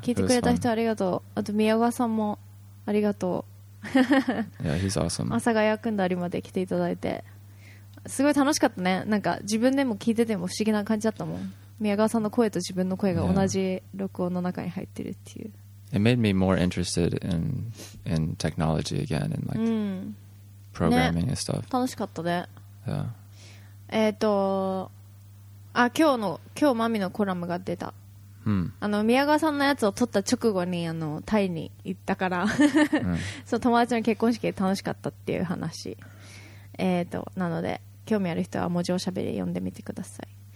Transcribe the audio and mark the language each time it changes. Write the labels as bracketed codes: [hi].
[ja] 聞いてくれた人ありがとうあと宮川さんもありがとう [en] yeah, he's awesome. [ja] 阿佐ヶ谷くんだりまで来ていただいてすごい楽しかったねなんか自分でも聞いてても不思議な感じだったもん宮川さんの声と自分の声が同じ録音の中に入ってるっていう、 [en] yeah. It made me more interested in technology again and like programming and stuff. [ja] 楽しかったね。 [en] Yeah. [ja] 今日マミのコラムが出た。あの宮川さんのやつを撮った直後にあのタイに行ったから、そう友達の結婚式で楽しかったっていう話。なので興味ある人は文字おしゃべり読んでみてください。